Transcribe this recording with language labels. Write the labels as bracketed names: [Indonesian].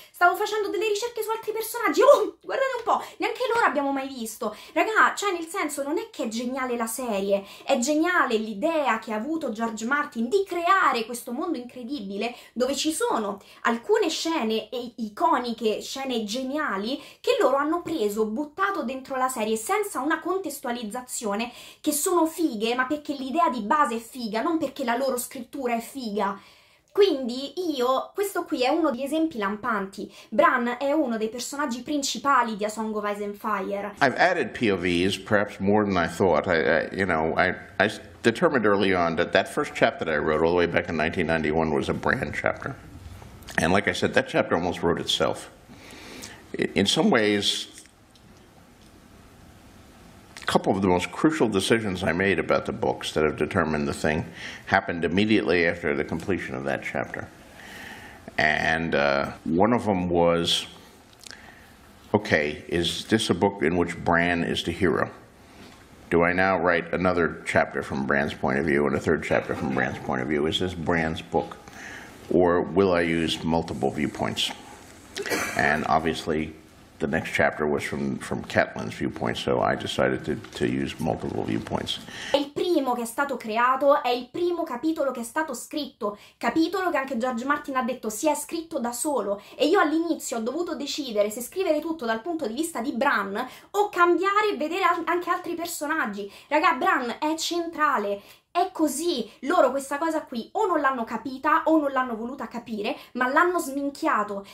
[Italian] stavo facendo delle ricerche su altri personaggi, oh, guardate un po', neanche loro abbiamo mai visto, raga, cioè nel senso non è che è geniale la serie, è geniale l'idea che ha avuto George Martin di creare questo mondo incredibile dove ci sono alcuni scene iconiche, scene geniali che loro hanno preso, buttato dentro la serie senza una contestualizzazione, che sono fighe, ma perché l'idea di base è figa, non perché la loro scrittura è figa. Quindi io, questo qui è uno degli esempi lampanti. Bran è uno dei personaggi principali di A Song of Ice and Fire. [English] I've added POVs, perhaps more than I thought. I determined early on that that first chapter that I wrote all the way back in 1991 was a Bran chapter. And like I said, that chapter almost wrote itself. In some ways, a couple of the most crucial decisions I made about the books that have determined the thing happened immediately after the completion of that chapter. And one of them was, okay, is this a book in which Bran is the hero? Do I now write another chapter from Bran's point of view and a third chapter from Bran's point of view? Is this Bran's book? Or will I use multiple viewpoints? And obviously, the next chapter was from Catelyn's viewpoint, so I decided to use multiple viewpoints. [Italian] Che è stato creato è il primo capitolo che è stato scritto, capitolo che anche George Martin ha detto si è scritto da solo. E io all'inizio ho dovuto decidere se scrivere tutto dal punto di vista di Bran o cambiare e vedere anche altri personaggi. Raga, Bran è centrale. È così, loro questa cosa qui o non l'hanno capita o non l'hanno voluta capire, ma l'hanno sminchiato.